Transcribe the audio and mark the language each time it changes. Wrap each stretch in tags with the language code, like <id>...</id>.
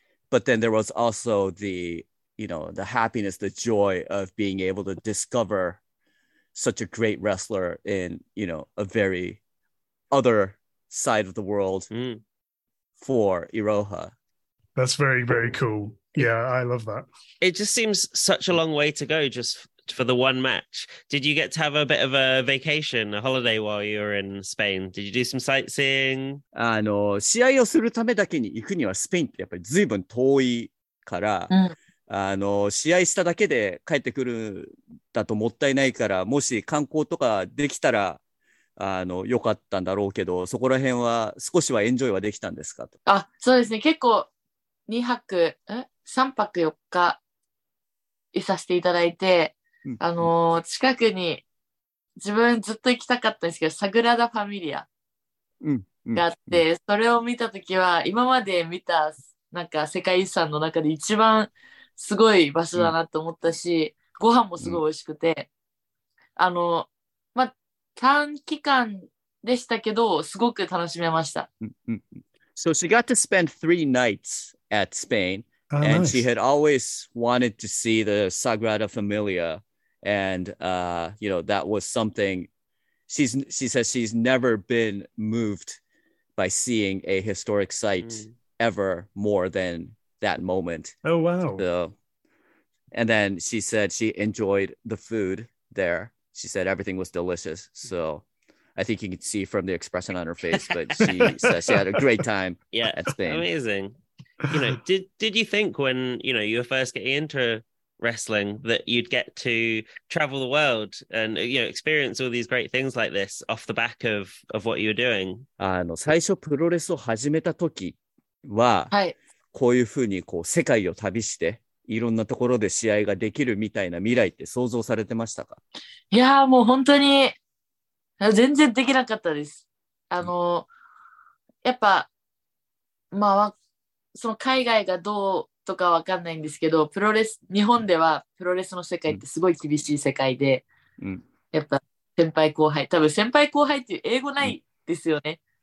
<en>But then there was also the, you know, the happiness, the joy of being able to discover such a great wrestler in, you know, a very other side of the world for Iroha. That's very, very cool. Yeah, I love that. It just seems such a long way to go just for the one match. Did you get to have a bit of a vacation, a holiday while you were in Spain? Did you do some sightseeing?</en> <ja>試合をするためだけに行くにはスペインってやっぱり随分遠いから、試合しただけで帰ってくるだともったいないから、もし観光とかできたら、よかったんだろうけど、そこら辺は少しはエンジョイはできたんですかと。あ、そうですね。結構2泊、?3 泊4日いさせていただいて、近くに自分ずっと行きたかったんですけど、サグラダ・ファミリアがあって、それを見たときは、今まで見た、なんか世界遺産の中で一番、すごい場所だなと思ったし、ご飯もすごい美味しくて、まあ、短期間でしたけど、すごく楽しめました。</ja> <en>So she got to spend 3 nights at Spain, and she had always wanted to see the Sagrada Familia, and, that was something, she says she's never been moved by seeing a historic site ever more than that moment. Oh, wow. So, and then she said she enjoyed the food there. She said everything was delicious. So I think you can see from the expression on her face, but she said she had a great time at Spain. Amazing. You know, did you think when, you know, you were first getting into wrestling that you'd get to travel the world and, you know, experience all these great things like this off the back of what you were doing?</en> <ja>最初プロレスを始めた時は、はい。こういうふうにこう世界を旅していろんなところで試合ができるみたいな未来って想像されてましたか？いやーもう本当に全然できなかったです。やっぱまあその海外がどうとかわかんないんですけど、プロレス日本ではプロレスの世界ってすごい厳しい世界で、やっぱ先輩後輩、多分先輩後輩っていう英語ないですよね。</ja>